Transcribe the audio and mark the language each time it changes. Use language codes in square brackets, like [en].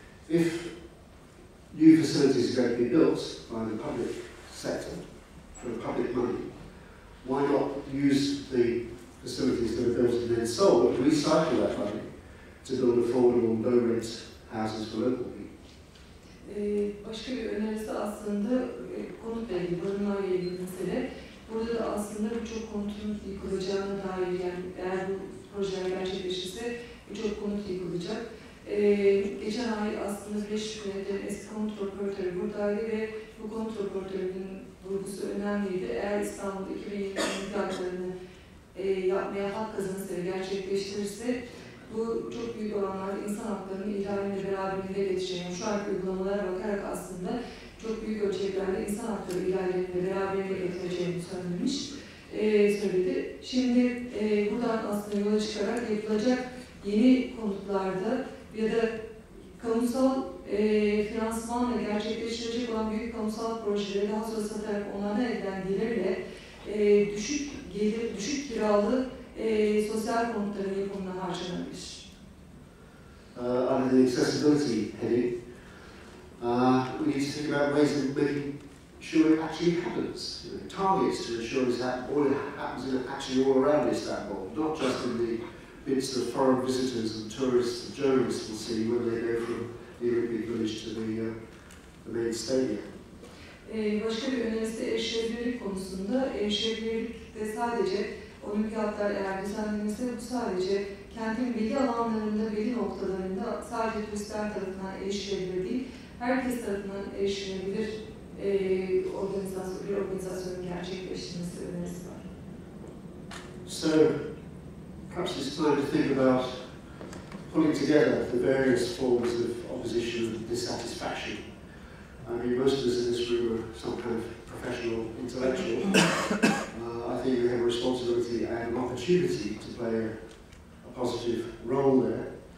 [en] If new facilities are going to be built by the public sector for public money, why not use the facilities that are built and then sold to recycle that money to build affordable low-rent houses for local people? [tr] Başka bir önerisi aslında konut ve barınma ile ilgili mesele. Burada da aslında birçok konutun yıkılacağına dair, yani eğer bu projeler gerçekleşirse birçok konut yıkılacak. Geçen ay aslında Birleşik Milletler'in eski konut röportörü buradaydı ve bu konut röportörünün vurgusu önemliydi. Eğer İstanbul 2020 imkanlarını yapmaya hak kazanırsa, gerçekleştirirse bu çok büyük oranlarda insan haklarının ihlaline beraberinde yetişeceğini, şu anki uygulamalara bakarak aslında çok büyük ölçeklerde insan hakları ihlaline beraberinde yetişeceğini söylemiş, söyledi. Şimdi buradan aslında yola çıkarak yapılacak yeni konutlarda ya da kamusal finansmanla gerçekleştirecek olan büyük kamusal projeleri daha sonra satarak onlardan elden gelirle düşük gelir, düşük kiralı sosyal konutların yapımına harcanabilir. [en] Under the accessibility heading, we need to think about ways of making sure it actually happens. You know, targets to ensure that all it happens in actually all around Istanbul, not just in the bits that foreign visitors and tourists and journalists will see when they go from the Olympic Village to the main stadium. [tr] Başka bir önerisi erişilebilirlik konusunda. Erişilebilirlik de sadece olimpiyatlar eğer düzenlenirse bu sadece kentin belli alanlarında, belli noktalarında sadece turistler tarafından erişilebilir değil, herkes tarafından erişilebilir bir organizasyonun gerçekleştirmesi önerisi var. [en] So, perhaps it's time to think about pulling together the various forms of opposition and dissatisfaction. I mean, most of us in this room are some kind of professional intellectual. I think we have a responsibility and an opportunity to play a positive role there.